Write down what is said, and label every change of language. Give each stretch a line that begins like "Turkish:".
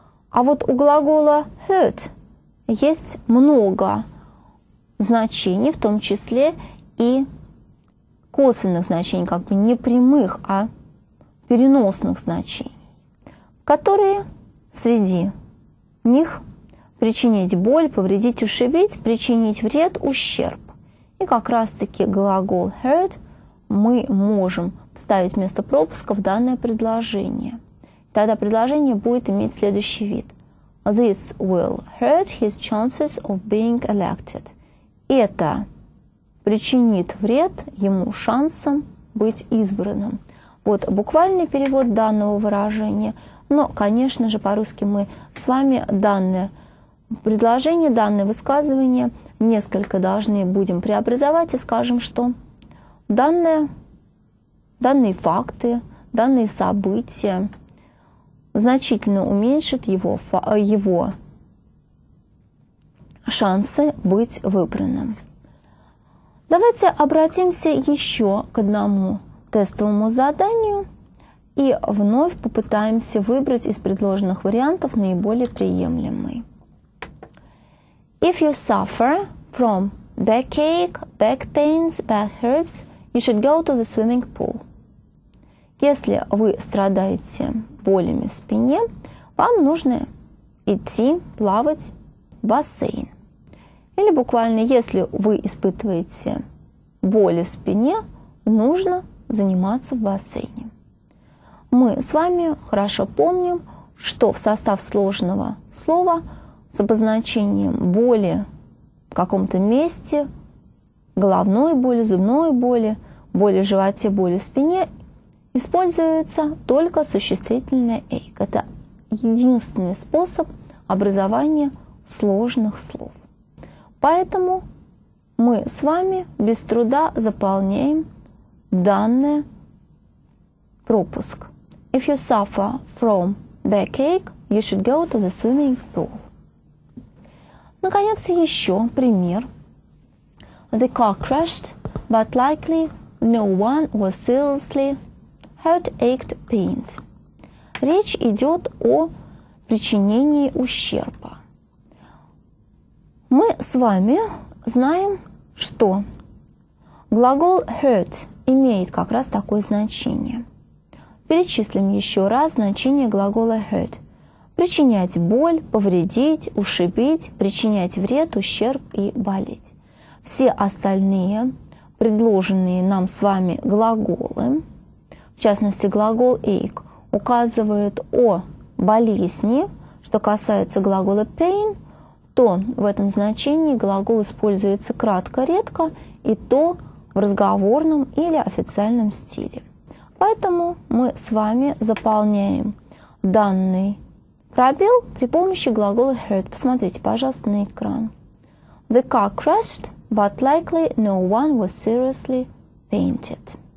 Russian: А вот у глагола hurt есть много значений, в том числе и косвенных значений, как бы не прямых, а переносных значений, которые среди них причинить боль, повредить, ушибить, причинить вред, ущерб. И как раз-таки глагол hurt мы можем вставить вместо пропуска в данное предложение. Тогда предложение будет иметь следующий вид.
English: This will hurt his chances of being elected.
Russian: Это причинит вред ему шансам быть избранным. Вот буквальный перевод данного выражения. Но, конечно же, по-русски мы с вами данное предложение, данное высказывание несколько должны будем преобразовать и скажем, что данные факты, данные события значительно уменьшит его шансы быть выбранным. Давайте обратимся еще к одному тестовому заданию и вновь попытаемся выбрать из предложенных вариантов наиболее приемлемый.
English: If you suffer from backache, back pains, back hurts, you should go to the swimming pool.
Russian: Если вы страдаете болями в спине, вам нужно идти плавать в бассейн. Или буквально, если вы испытываете боли в спине, нужно заниматься в бассейне. Мы с вами хорошо помним, что в состав сложного слова с обозначением боли в каком-то месте, головной боли, зубной боли, боли в животе, боли в спине, используется только существительное «эйк». Это единственный способ образования сложных слов. Поэтому мы с вами без труда заполняем данный пропуск.
English: If you suffer from backache, you should go to the swimming pool.
Russian: Наконец, еще пример.
English: The car crashed, but likely no one was seriously hurt, ached, pained.
Russian: Речь идет о причинении ущерба. Мы с вами знаем, что глагол hurt имеет как раз такое значение. Перечислим еще раз значение глагола hurt. Причинять боль, повредить, ушибить, причинять вред, ущерб и болеть. Все остальные предложенные нам с вами глаголы, в частности глагол ache, указывают о болезни. Что касается глагола pain, то в этом значении глагол используется кратко-редко, и то в разговорном или официальном стиле. Поэтому мы с вами заполняем данный пробел при помощи глагола hurt. Посмотрите, пожалуйста, на экран.
English: The car crashed, but likely no one was seriously painted.